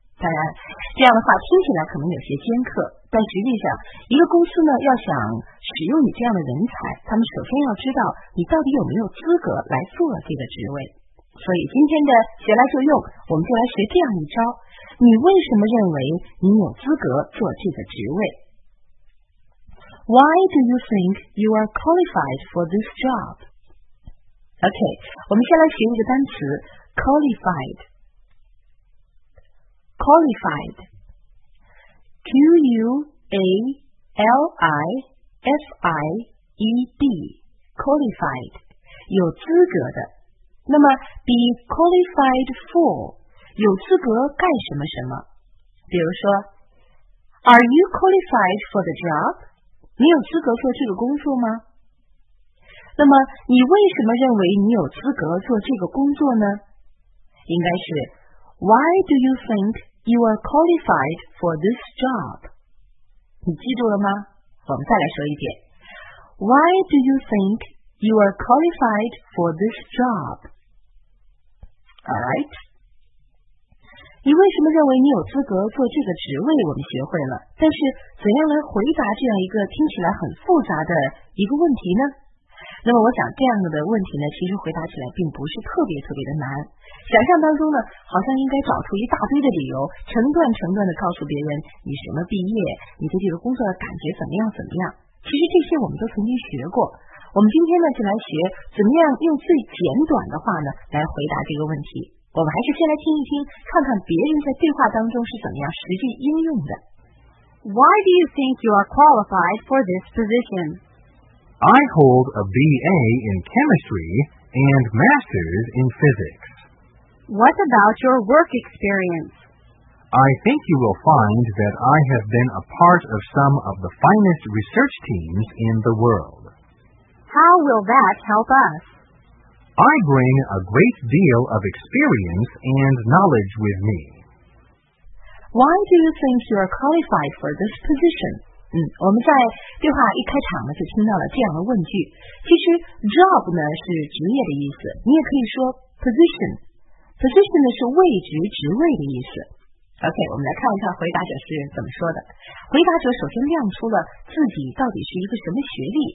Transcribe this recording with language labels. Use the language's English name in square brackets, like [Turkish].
[Chinese] 当然这样的话听起来可能有些尖刻，但实际上一个公司呢要想使用你这样的人才，他们首先要知道你到底有没有资格来做这个职位。所以今天的学来就用，我们就来学这样一招，你为什么认为你有资格做这个职位。 [English] Why do you think you are qualified for this job? [Chinese] OK， 我们先来学一个单词 qualified。 [English] Qualified, Q-U-A-L-I-F-I-E-D, qualified, [Chinese] 有资格的。那么 [English] be qualified for, [Chinese] 有资格干什么什么。比如说 [English] ,Are you qualified for the job? [Chinese] 你有资格做这个工作吗？那么你为什么认为你有资格做这个工作呢？应该是 [English] ,Why do you think,You are qualified for this job. [Chinese] 你记住了吗？我们再来说一遍。 [English] Why do you think you are qualified for this job? Alright. [Chinese] 你为什么认为你有资格做这个职位？我们学会了。但是怎样来回答这样一个听起来很复杂的一个问题呢？那么我想这样的问题呢，其实回答起来并不是特别特别的难。想象当中呢，好像应该找出一大堆的理由，成段成段的告诉别人你什么毕业，你对这个工作的感觉怎么样怎么样。其实这些我们都曾经学过。我们今天呢，就来学怎么样用最简短的话呢，来回答这个问题。我们还是先来听一听，看看别人在对话当中是怎么样实际应用的。 [English] Why do you think you are qualified for this position? I hold a BA in chemistry and master's in physics. What about your work experience? I think you will find that I have been a part of some of the finest research teams in the world. How will that help us? I bring a great deal of experience and knowledge with me. Why do you think you are qualified for this position? [Chinese] 我们在对话一开场呢就听到了这样的问句。其实 job 呢是职业的意思，你也可以说 position。 position 呢是位置职位的意思。OK， 我们来看一看回答者是怎么说的。回答者首先亮出了自己到底是一个什么学历。